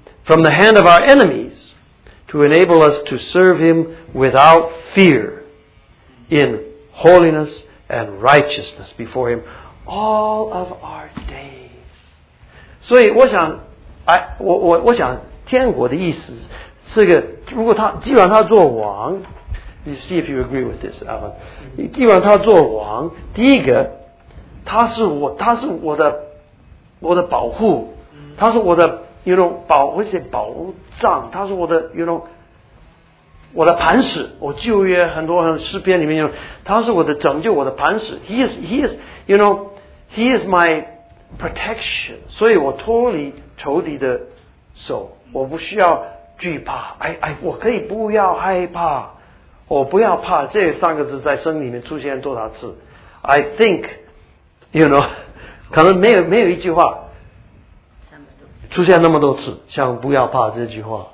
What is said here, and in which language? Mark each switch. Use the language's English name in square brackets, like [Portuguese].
[English] From the hand of our enemies to enable us to serve him without fear in holiness and righteousness before him all of our days. [Chinese] 所以我想天国的意思是个，如果他既然他做王， [English] You see if you agree with this, Alan. [Chinese] 既然他做王，第一个，他是我的保护，他是我的 [English] you know [Chinese] 保，或者保障，他是我的 you know 我的磐石。我旧约很多诗篇里面 [English] you know [Chinese] 他是我的拯救，我的磐石。 [English] He is you know he is my protection. [Chinese] 所以我脱离仇敌的手，我不需要惧怕。哎，我可以不要害怕。我不要怕，这三个字在圣经里面出现多少次 ？ [English] I think, you know, [Chinese] 可能没有一句话出现那么多次，像不要怕这句话。